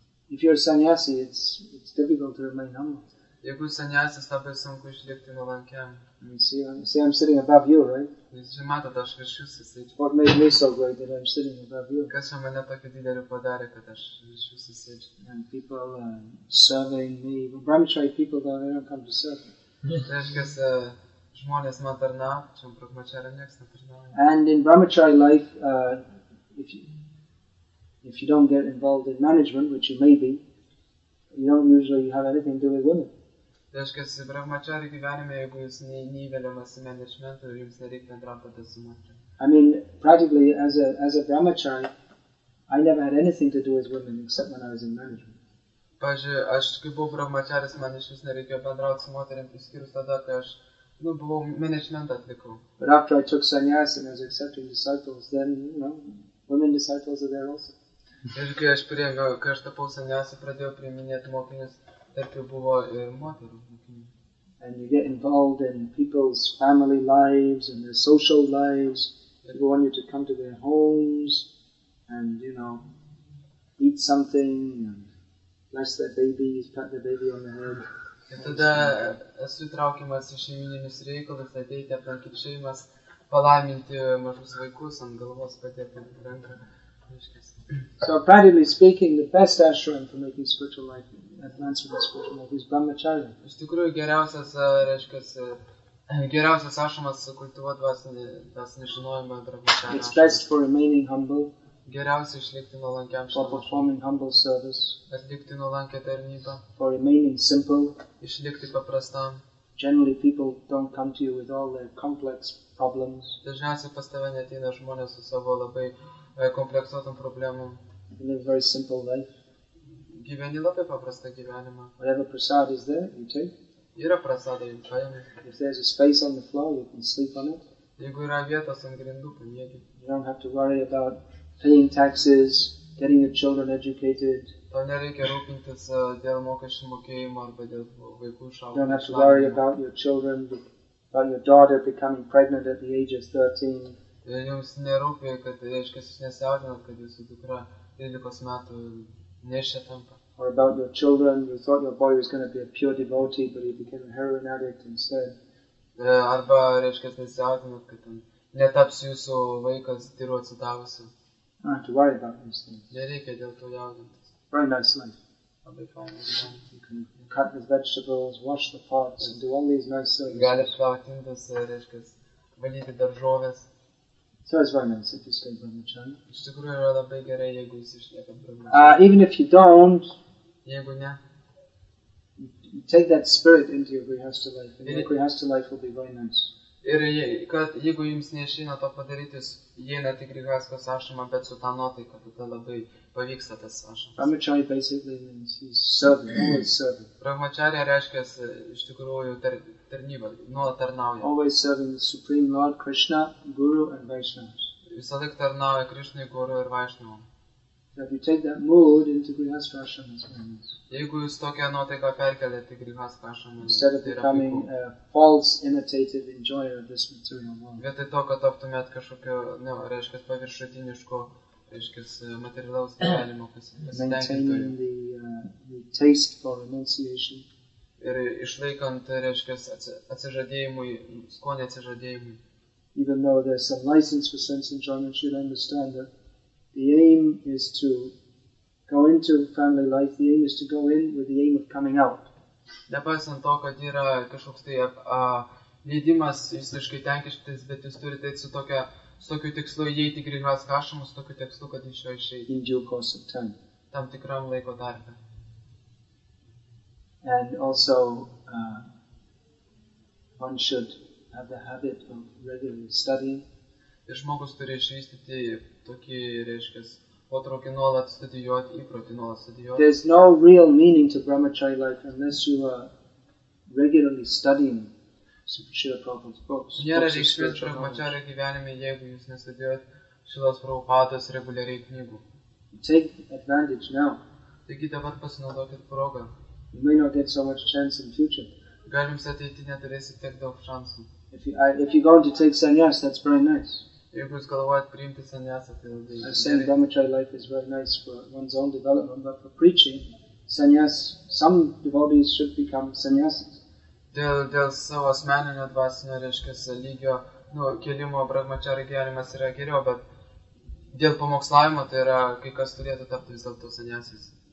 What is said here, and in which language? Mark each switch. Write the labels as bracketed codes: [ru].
[en] If you're a sannyasi, it's difficult to remain humble. [lt] Jeigu sannyasis, labai sunku išlikti nuolankiam. [en] You see, I'm sitting above you, right? [lt] Jūs matot, aš virš jūsų sėdžiu. [en] What made me so great that I'm sitting above you? [lt] Kas jau mane tokį didelį padarė, kad aš virš jūsų sėdžiu? [en] And people serving me. Brahmacharya people, though, they don't come to serve me. [lt] Žmonės man tarnau, čia brahmacharya niekas netarnauja. [en] And in brahmacharya life, if you don't get involved in management, which you may be, you don't usually have anything to do with women. [lt] Reiškia, brahmacharya gyvenime, jeigu jūs neįveliamas į managementą, jums nereikia bendrauti su moterim. [en] I mean, practically, as a brahmachari, I never had anything to do with women except when I was in management. [lt] Pavyzdžiui, aš kai buvau brahmacharis, man iš vis nereikėjo bendrauti su moterim, išskyrus tada, kai aš buvau managementą atlikau. [en] But after I took sannyasi and I was accepting disciples, then, women disciples are there also. [lt] Ir kai aš priėmiau, kai aš tapau sannyasi, pradėjau priiminėti mokinius, tarp jų buvo ir moterų mokinių. [en] And you get involved in people's family lives and their social lives. People want you to come to their homes and, eat something and bless their babies, pat their baby on the head. [lt] Ir tada esu įtraukiamas į šeimininius reikalus, ateiti aplankyti šeimas, palaiminti mažus vaikus, ant galvos padėti ranką. [en] So practically speaking, the best ashram for making spiritual life, advancing the spiritual life, is brahmacharya. [lt] Iš tikrųjų, geriausias ašramas kultivuoti dvasinį žinojimą brahmacharya. [en] It's best for remaining humble. [lt] Geriausia išlikti nuolankiam šiam. [en] For performing humble service. [lt] Atlikti nuolankę tarnybą. [en] For remaining simple. [lt] Išlikti paprastam. [en] Generally, people don't come to you with all their complex problems. [lt] Dažniausiai pas tave neateina žmonės su savo labai kompleksuotom problemom. [en] You live a very simple life. [lt] Gyveni labai paprastą gyvenimą. [en] Whatever prasad is there, you take. [lt] Yra prasada, jį paimi. [en] If there's a space on the floor, you can sleep on it. [lt] Jeigu yra vietos ant grindų, pamiegi. [en] You don't have to worry about paying taxes, getting your children educated. [lt] Tau nereikia rūpintis dėl mokesčių mokėjimo arba dėl vaikų išauklėjimo. [en] You don't have to worry about your children, about your daughter becoming pregnant at the age of 13. [lt] Jums nerūpi, kad, reiškia, jūs nesijaudinat, kad jūsų dukra 13 metų nešia tampa. [en] Or about your children, you thought your boy was going to be a pure devotee, but he became a heroin addict instead. [lt] Arba, reiškia, nesijaudinat, kad netaps jūsų vaikas tyru atsidavusiu. [en] I don't have to worry about these things. [lt] Nereikia dėl to jaudintis. [en] Very nicely. I'll be fine. You can cut the vegetables, wash the pots, and do all these nice things. [lt] Gali plauti indus, reiškia, valyti daržoves. [en] So it's very nice if you stay brahmacharya. [lt] Iš tikrųjų yra labai gerai, jeigu jis išlieka [en] brahmacharya. Even if you don't, [lt] jeigu ne, [en] you take that spirit into your grihastha life, and your grihastha life will be very nice. [lt] Ir kad jeigu jums neišina to padaryti, jūs įeinat į grihastha ašramą, bet su tą nuotaiką, tada labai pavyksta tas ašramas. [en] Brahmacharya basically means he's serving, always serving. [lt] Brahmacharya reiškia, iš tikrųjų, tarnybą, nuolat tarnauja. [en] Always serving the Supreme Lord Krishna, Guru and Vaishnavas. [lt] Visą laiką tarnauja Krishnai, Guru ir Vaishnavam. [en] If you take that mood into grihastha ashrama, [lt] jeigu jūs tokią nuotaiką perkeliat į grihastha ashrama, [en] instead of becoming a false imitative enjoyer of this material world, [lt] vietoj to, kad taptumėt kažkokio, reiškia, paviršutiniško, reiškia, materialaus gyvenimo pasitenkinimo, ir išlaikant, reiškia, atsižadėjimui, skonį atsižadėjimui. [en] Even though there's some license for sense enjoyment, you'd understand that the aim is to go into family life, the aim is to go in with the aim of coming out. [lt] Nepaisant to, kad yra kažkoks tai leidimas visiškai tenkintis, bet jūs turite su tokiu tikslu įeiti į grihastha ašramą, su tokiu tikslu, kad iš jo išeiti. [en] In due course of time. [lt] Tam tikram laiko tarpe. [en] And also, one should have the habit of regularly studying. [lt] Ir žmogus turi išvystyti tokį, reiškia, potraukį nuolat studijuoti, įprotį nuolat studijuoti. [en] There's no real meaning to brahmacharya life unless you are regularly studying Srila Prabhupada's books. [lt] Nėra reikšmės brahmacharya gyvenime, jeigu jūs nestudijuot Šilos Prabhupados reguliariai knygų. [en] Take advantage now. [lt] Taigi dabar pasinaudokit progą. [en] You may not get so much chance in future. [lt] Gal jums ateityje neturėsit tiek daug šansų. [en] If you go to take sannyas, that's very nice. [lt] Jeigu jūs galvojat priimti sannyasą, tai labai gerai. [en] I say brahmacharya life is very nice for one's own development, but for preaching, sannyas, some devotees should become sannyasis. [lt] Dėl savo asmeninio dvasinio, reiškia, lygio, kelimo brahmacharya gyvenimas yra geriau, bet dėl pamokslavimo, tai yra, kai kas turėtų tapti vis dėlto sannyasis.